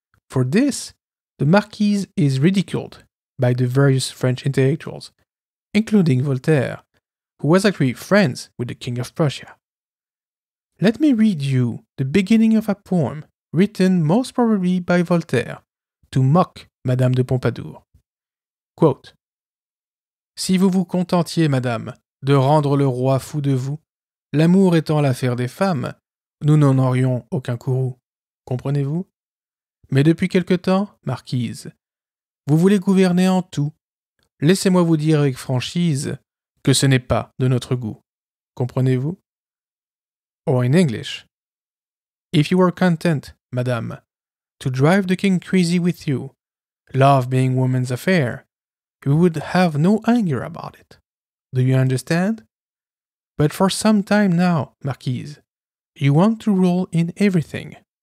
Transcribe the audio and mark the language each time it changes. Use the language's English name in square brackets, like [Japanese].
[English] For this, the Marquise is ridiculed by the various French intellectuals, including Voltaire, who was actually friends with the King of Prussia. Let me read you the beginning of a poem written most probably by Voltaire to mock Madame de Pompadour. [French] Quote, si vous vous contentiez, madame, de rendre le roi fou de vous, l'amour étant l'affaire des femmes, nous n'en aurions aucun courroux, comprenez-vous? Mais depuis quelque temps, marquise, vous voulez gouverner en tout. Laissez-moi vous dire avec franchise que ce n'est pas de notre goût, comprenez-vous? [English] Or in English, if you were content, madame, to drive the king crazy with you, love being woman's affair, we would have no anger about it. Do you understand? But for some time now, marquise, you want to rule in everything.